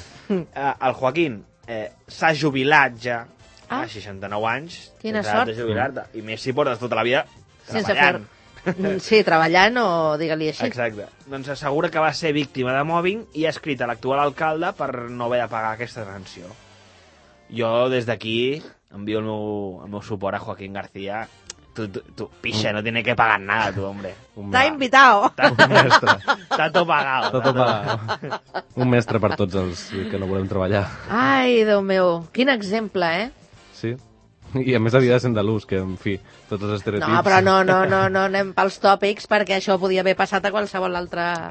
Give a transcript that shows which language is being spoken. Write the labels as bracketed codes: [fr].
[ca] El Joaquín s'ha jubilat ja a 69 anys. Quina sort. De jubilar-te. I més si portes tota la vida sense treballant. Sí, treballant o digue-li així. Exacte. Doncs assegura que va ser víctima de mòbbing i ha escrit a l'actual alcalde per no haver de pagar aquesta sanció. Jo des d'aquí envio el meu suport a Joaquín García. [es] Tu, pixa, no tiene que pagar nada, tu, hombre. T'ha invitado. Tanto pagado. Tanto pagado. [ca] Un mestre per tots els que no volem treballar. Ai, Déu meu, quin exemple, eh? Sí. I a més havia de ser andalús, que, en fi, tots els estereotips... No, però no anem pels tòpics, perquè això podia haver passat a qualsevol altre